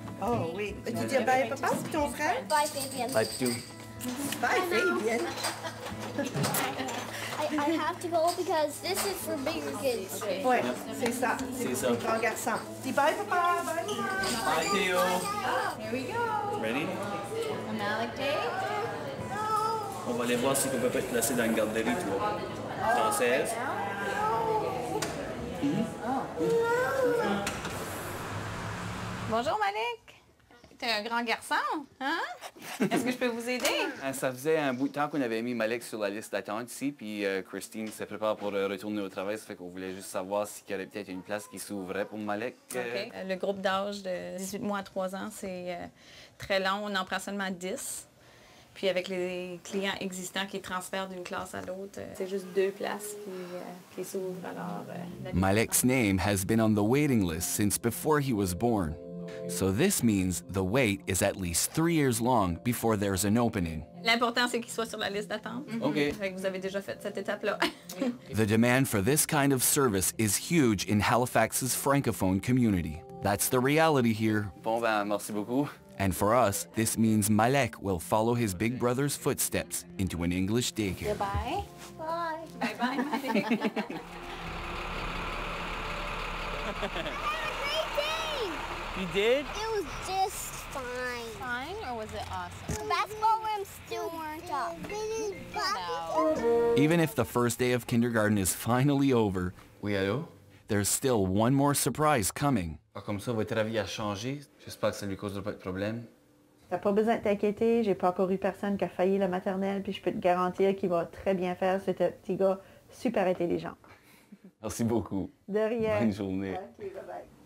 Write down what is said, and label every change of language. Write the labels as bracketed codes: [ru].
[fr] Oh, oui. Tu dis bye, papa, c'est ton frère? [en] Bye, Fabian. Bye, too. Bye, Fabian. I have to go because this is for bigger kids. [fr] Okay. Ouais, c'est ça. C'est pour les grands garçons. Dis bye, papa. Bye, maman. [en] Bye, Théo. Here we go. Ready? I'm Alec Day. Oh. [fr] On va aller voir si on peut pas être placé dans une garderie, toi. Française? Bonjour Malik, t'es un grand garçon, hein? Est-ce que je peux vous aider? Ça faisait un bout de temps qu'on avait mis Malik sur la liste d'attente ici, puis Christine se prépare pour retourner au travail, ça fait qu'on voulait juste savoir s'il y aurait peut-être une place qui s'ouvrait pour Malik. OK. Le groupe d'âge de 18 mois à 3 ans, c'est très long, on en prend seulement 10. Puis avec les clients existants qui transfèrent d'une classe à l'autre, c'est juste 2 places qui s'ouvrent. [en] Malek's name has been on the waiting list since before he was born. So this means the wait is at least 3 years long before there's an opening. [fr] L'important, c'est qu'il soit sur la liste d'attente. Mm-hmm. OK. Fait que vous avez déjà fait cette étape-là. [en] The demand for this kind of service is huge in Halifax's francophone community. That's the reality here. [fr] Bon ben, merci beaucoup. [en] And for us, this means Malek will follow his big brother's footsteps into an English daycare. Goodbye. Bye. Bye-bye, Malek. I had a great day! You did? It was just fine. Fine, or was it awesome? The basketball rims still weren't up. Get out. Even if the first day of kindergarten is finally over, [fr] oui, allô? [en] There's still one more surprise coming. [fr] Ah, comme ça, votre avis a changé. J'espère que ça ne lui causera pas de problème. T'as pas besoin de t'inquiéter. J'ai pas encore eu personne qui a failli la maternelle. Puis je peux te garantir qu'il va très bien faire. C'est un petit gars super intelligent. Merci beaucoup. De rien. Bonne journée. [en] Okay, bye bye.